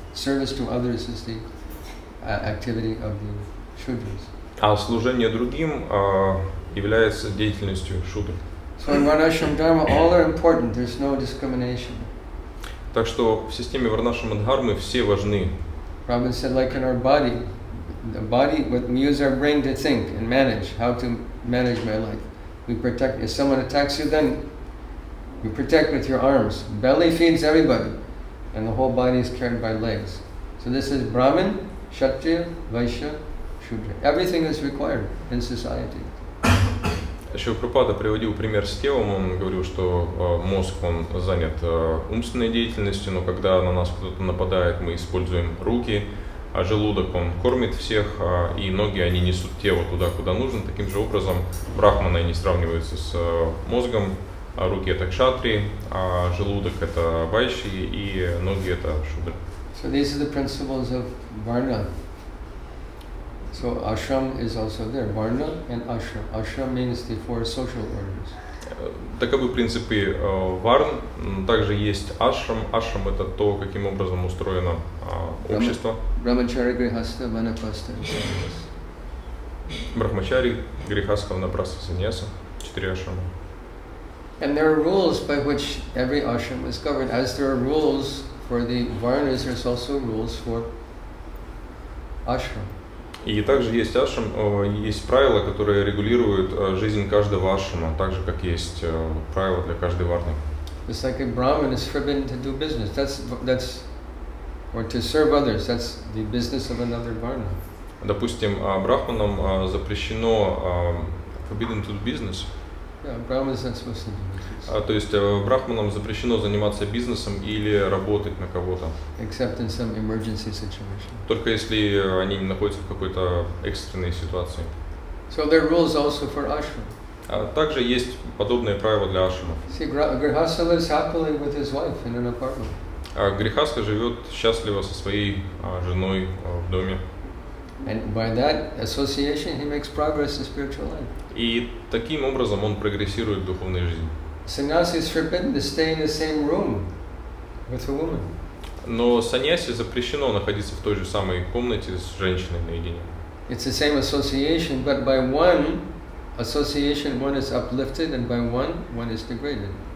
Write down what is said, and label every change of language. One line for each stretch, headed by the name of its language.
English: Service to others is the activity of the Shudras.
Russian: А служение другим является деятельностью Шудр.
English: So in Varnashram Dharma, all are important. There's no discrimination.
Russian: Так что в системе Варнашрама Дхармы все важны.
English: Prabhupada said, like in our body, the body, what we use our brain to think and manage, how to manage my life. We protect, if someone attacks you, then you protect with your arms. Belly feeds everybody, and the whole body is carried by legs. So this is Brahmin, Kshatriya, Vaishya, Shudra. Everything is required in society.
Russian: Ещё Прабхупада приводил пример с телом, он говорил, что мозг, он занят умственной деятельностью, но когда на нас кто-то нападает, мы используем руки, а желудок, он кормит всех, и ноги, они несут тело туда, куда нужно. Таким же образом, брахманы, они сравниваются с мозгом, а руки – это кшатри, а желудок – это вайши, и ноги – это шудры.
English: So these are the principles of Varna. So ashram is also there, varna and ashram. Ashram means the four social orders.
Russian: Таковы принципы варн. Также есть ашрам. Ашрам — это то, каким образом устроено общество. Брахмачари, грихаста, ванапаста, саньяс. Брахмачари, грихаста, ванапаста, саньяса. Четыре ашрама.
English: And there are rules by which every ashram is governed. As there are rules for the varnas, there's also rules for ashram.
Russian: И также есть ашрам, есть правила, которые регулируют жизнь каждого ашрама, так же, как есть правила для каждой варны.
English: It's like a Brahmin is forbidden to do business. That's or to serve others. That's the business of another varna.
Russian: Допустим, брахманам запрещено
English: forbidden to do business. Yeah, Brahmin is not supposed to do business.
Russian: То есть брахманам запрещено заниматься бизнесом или работать на кого-то.
English: Except in some emergency situation.
Russian: Только если они находятся в какой-то экстренной ситуации.
English: So there are rules also for ashram.
Russian: Также есть подобные правила для ашрама.
English: See, grihastha lives happily with his wife in an apartment.
Russian: Грихастха живет счастливо со своей женой в доме.
English: And by that association he makes progress in spiritual life.
Russian: И таким образом он прогрессирует в духовной жизни.
English: Sannyasi is forbidden to stay in the same room with a woman.
Russian: Но саньяси запрещено находиться в той же самой комнате с женщиной наедине.
English: It's the same association, but by one association one is uplifted and by one is degraded.